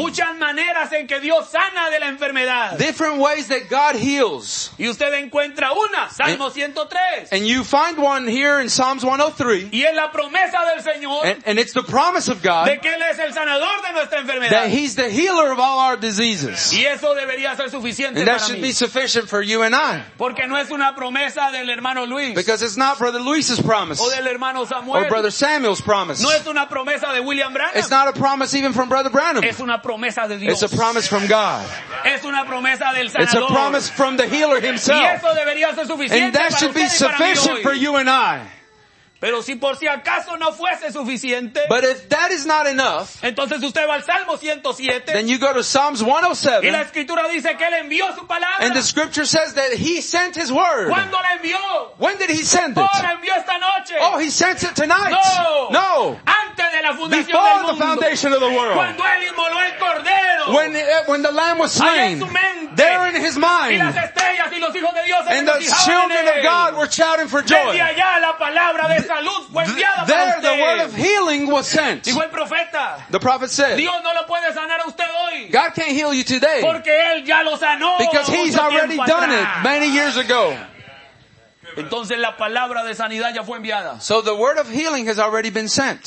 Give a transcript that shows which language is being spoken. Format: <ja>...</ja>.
<es>Muchas maneras en que Dios sana de la enfermedad.</es> <en>Different ways that God heals.</en> <es>Y usted encuentra una, Salmo 103.</es> <en>And you find one here in Psalms 103.</en> <es>Y es la promesa del Señor.</es> <en>And it's the promise of God.</en> <es>De que él es el sanador de nuestra enfermedad.</es> <en>That he's the healer of all our diseases.</en> <es>Y eso debería ser suficiente</es> <en>and</en> <es>para mí.</es> <en>That should</en> <es>mí</es> <en>be sufficient for you and I.</en> <es>Porque no es una promesa del hermano Luis.</es> <en>Because it's not Brother Luis's promise.</en> <es>O del hermano Samuel.</es> <en>Or Brother Samuel's promise.</en> <es>No es una promesa de William Branham.</es> <en>It's not a promise even from Brother Branham.</en> <es>Es una promesa de Dios.</es> <en>It's a promise from God.</en> <es>Es una promesa del sanador.</es> <en>It's a promise from the healer himself.</en> <es>Y eso debería ser suficiente.</es> <en>And that</en> <es>para</es> <en>should be sufficient for you and I.</en> <es>Pero si por si acaso no fuese suficiente.</es> <en>But if that is not enough.</en> <es>Entonces usted va al Salmo 107.</es> <en>Then you go to Psalms 107.</en> <es>Y la escritura dice que él envió su palabra.</es> <en>And the scripture says that he sent his word.</en> <es>¿Cuándo la envió?</es> <en>When did he send it?</en> <es>Oh, la envió esta noche.</es> <en>Oh, he sent it tonight.</en> <es>No.</es> <en>No.</en> <es>Antes de la fundación</es> <en>before</en> <es>del mundo.</es> <en>Before the foundation of the world.</en> <es>Cuando él inmoló el cordero.</es> <en>When the lamb was slain.</en> <es>Ahí en su mente.</es> <en>There in his mind.</en> <es>Y las estrellas y los hijos de Dios.</es> <en>And the children of God were shouting for joy.</en> <es>Desde allá la palabra de</es> <en>there the word of healing was sent. The prophet said, God can't heal you today because he's already done it many years ago.</en> <es>Entonces la palabra de sanidad ya fue enviada.</es> <en>So the word of healing has already been sent.</en>